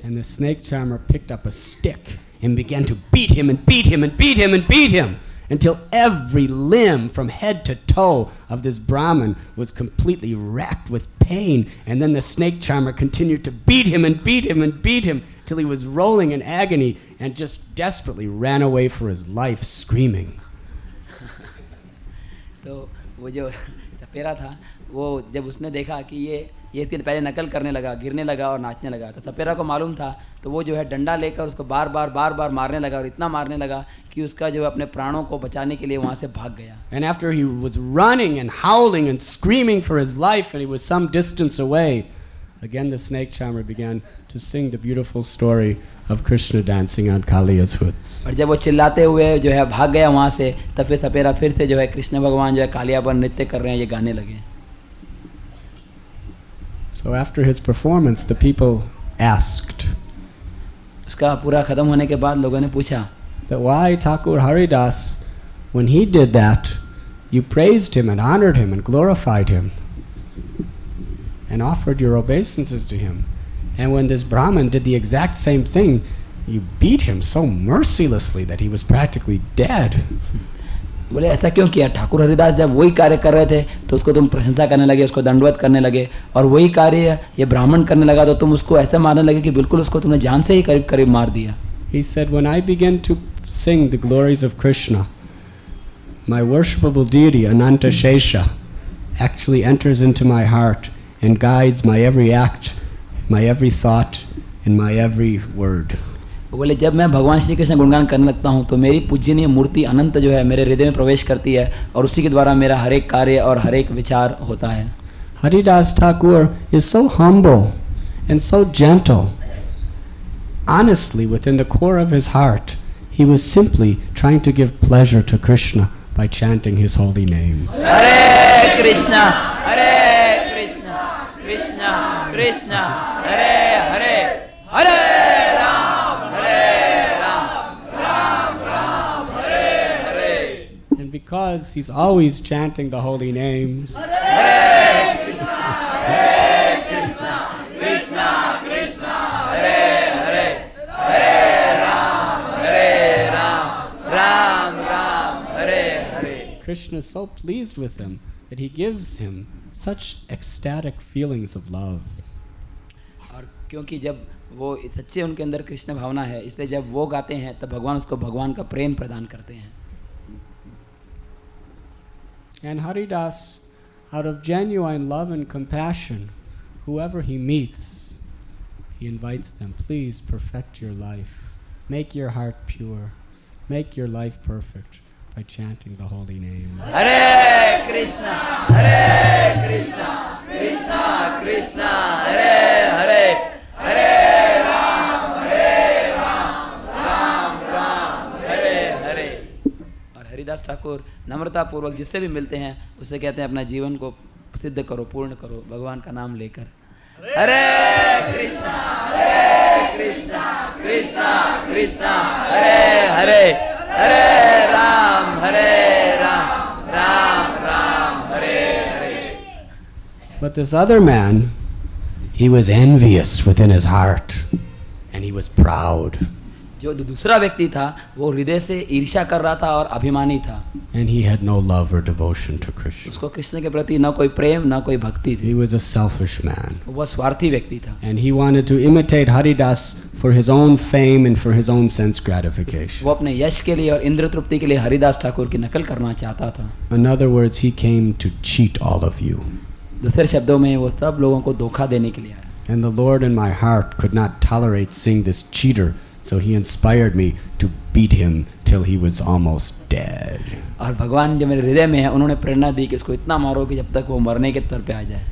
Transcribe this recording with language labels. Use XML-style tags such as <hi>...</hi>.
<en>And the snake charmer picked up a stick and began to beat him and beat him and beat him and beat him until every limb from head to toe of this Brahmin was completely racked with pain. And then the snake charmer continued to beat him and beat him and beat him till he was rolling in agony and just desperately ran away for his life screaming.</en> <hi>So, वो जो सपेरा था, वो जब उसने देखा कि ये इसके पहले नकल करने लगा, गिरने लगा और नाचने लगा, तो सपेरा को मालूम था, तो वो जो है डंडा लेकर उसको बार बार बार बार मारने लगा और इतना मारने लगा कि उसका जो अपने प्राणों को बचाने के लिए वहाँ से भाग गया.</hi> <en>And after he was running and howling and screaming for his life and he was some distance away, again the snake charmer began to sing the beautiful story of Krishna dancing on Kaliya's hoods.</en> <hi>और जब वो चिल्लाते हुए जो है भाग गया वहाँ से, तब फिर सपेरा फिर से जो है कृष्ण भगवान जो है कालिया पर नृत्य कर रहे हैं ये गाने लगे.</hi> <en>So after his performance, the people asked,</en> <hi>उसका पूरा खत्म होने के बाद लोगों ने पूछा,</hi> <en>that why Thakur Haridas, when he did that, you praised him and honored him and glorified him and offered your obeisances to him, and when this Brahmin did the exact same thing, you beat him so mercilessly that he was practically dead.</en> <hi>बोले ऐसा क्यों किया ठाकुर हरिदास, जब वही कार्य कर रहे थे तो उसको तुम प्रशंसा करने लगे, उसको दंडवत करने लगे, और वही कार्य ये ब्राह्मण करने लगा तो तुम उसको ऐसे मारने लगे कि बिल्कुल उसको तुमने जान से ही करीब करीब मार दिया.</hi> <en>He said, when I began to sing the glories of Krishna, my worshipable deity Ananta Shesha actually enters into my heart and guides my every act, my every thought and my every word.</en> <hi>बोले जब मैं भगवान श्री कृष्ण गुणगान करने लगता हूँ तो मेरी पूजनीय मूर्ति अनंत जो है मेरे हृदय में प्रवेश करती है और उसी के द्वारा मेरा हर एक कार्य और हर एक विचार होता है.</hi> <en>Haridas Thakur is so humble and so gentle. Honestly within the core of his heart he was simply trying to give pleasure to Krishna by chanting his holy names.</en> <sa>हरे कृष्ण, हरे कृष्ण, कृष्ण कृष्ण, हरे हरे, हरे.</sa> <en>Because he's always chanting the holy names.</en> <sa>Hare Krishna, Krishna, Krishna, Krishna, Hare Hare, Hare Ram, Hare Ram, Ram Ram, Hare Hare.</sa> <en>Krishna is so pleased with him that he gives him such ecstatic feelings of love.</en> <hi>और क्योंकि जब वो सच्चे उनके अंदर कृष्ण भावना है, इसलिए जब वो गाते हैं तब भगवान उसको भगवान का प्रेम प्रदान करते हैं.</hi> <en>And Haridas, out of genuine love and compassion, whoever he meets, he invites them, please perfect your life, make your heart pure, make your life perfect by chanting the holy name.</en> <sa>Hare Krishna, Hare Krishna, Krishna Krishna, Hare Hare, Hare Rama, Hare Rama, Rama Rama, Hare Hare.</sa> <hi>And Haridas Thakur, नम्रतापूर्वक जिससे भी मिलते हैं उसे कहते हैं अपना जीवन को सिद्ध करो, पूर्ण करो भगवान का नाम लेकर.</hi> <sa>हरे कृष्णा, हरे कृष्णा, कृष्णा कृष्णा, हरे हरे, हरे राम, हरे Ram, Ram Ram, Hare Hare.</sa> <en>But this other man, he was envious within his heart and he was proud.</en> <hi>जो दूसरा व्यक्ति था वो हृदय से ईर्ष्या कर रहा था और अभिमानी था.</hi> <en>And he had no love or devotion to Krishna.</en> <hi>उसको कृष्ण के प्रति ना कोई प्रेम ना कोई भक्ति थी.</hi> <en>He was a selfish man.</en> <hi>वो स्वार्थी व्यक्ति था.</hi> <en>And he wanted to imitate Haridas for his own fame and for his own sense gratification.</en> <hi>वो अपने यश के लिए और इंद्रतृप्ति के लिए हरिदास ठाकुर की नकल करना चाहता था.</hi> <en>In other words, he came to cheat all of you.</en> <hi>दूसरे शब्दों में वो सब लोगों को धोखा देने के लिए.</hi> <en>And the Lord in my heart could not tolerate seeing this cheater, so he inspired me to beat him till he was almost dead.</en> <hi>और भगवान जो मेरे हृदय में है उन्होंने प्रेरणा दी कि उसको इतना मारो कि जब तक वो मरने के तर पे आ जाए.</hi>